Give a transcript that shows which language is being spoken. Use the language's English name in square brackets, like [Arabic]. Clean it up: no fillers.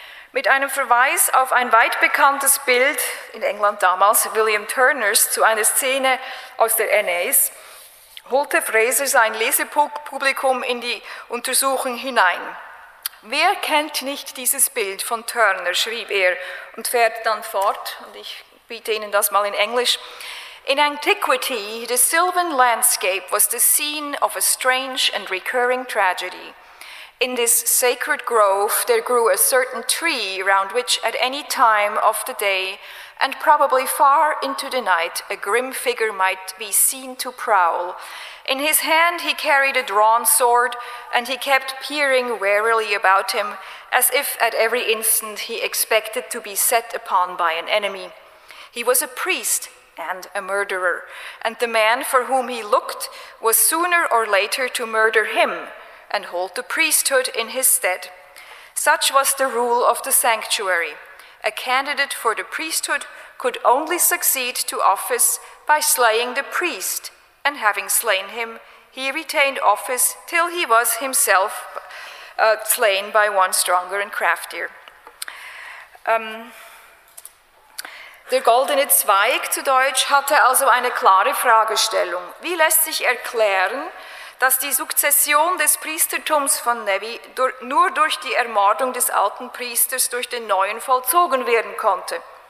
[German] Mit einem Verweis auf ein weit bekanntes Bild, in England damals William Turners, zu einer Szene aus der Aeneis, holte Fraser sein Lesepublikum in die Untersuchung hinein. Wer kennt nicht dieses Bild von Turner, schrieb er und fährt dann fort, und ich biete Ihnen das mal in Englisch. [English] In antiquity, the sylvan landscape was the scene of a strange and recurring tragedy. In this sacred grove, there grew a certain tree around which at any time of the day, and probably far into the night, a grim figure might be seen to prowl. In his hand, he carried a drawn sword, and he kept peering warily about him, as if at every instant he expected to be set upon by an enemy. He was a priest and a murderer, and the man for whom he looked was sooner or later to murder him and hold the priesthood in his stead. Such was the rule of the sanctuary. A candidate for the priesthood could only succeed to office by slaying the priest, and having slain him, he retained office till he was himself slain by one stronger and craftier. [German] Der goldene Zweig, zu Deutsch, hatte also eine klare Fragestellung. Wie lässt sich erklären, dass die Sukzession des Priestertums von Nevi nur durch die Ermordung des alten Priesters durch den neuen vollzogen werden konnte?